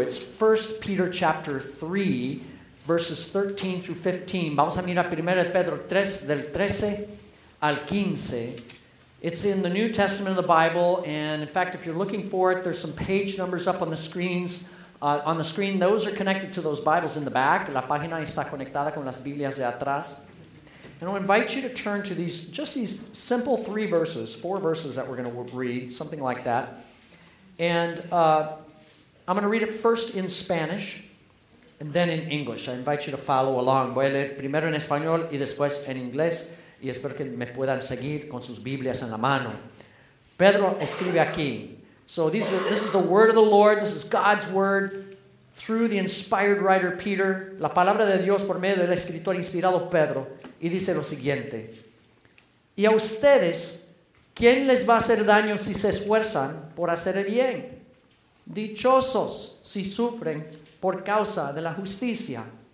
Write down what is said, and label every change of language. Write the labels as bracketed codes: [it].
[en] It's 1 Peter chapter 3, verses 13 through 15. [es] Vamos a mirar primero Pedro 3, del 13 al 15. [en] It's in the New Testament of the Bible, and in fact, if you're looking for it, there's some page numbers up on the screens. On the screen, those are connected to those Bibles in the back. [es] La página está conectada con las Biblias de atrás. [en] And I'll invite you to turn to these simple three verses, four verses that we're going to read, something like that. And I'm going to read it first in Spanish and then in English. I invite you to follow along. [es] Voy a leer primero en español y después en inglés. Y espero que me puedan seguir con sus Biblias en la mano. Pedro escribe aquí. [en] So this is the word of the Lord. This is God's word through the inspired writer Peter. [es] La palabra de Dios por medio del escritor inspirado Pedro. Y dice lo siguiente. Y a ustedes, ¿quién les va a hacer daño si se esfuerzan por hacer el bien? Dichosos si sufren por causa de la justicia.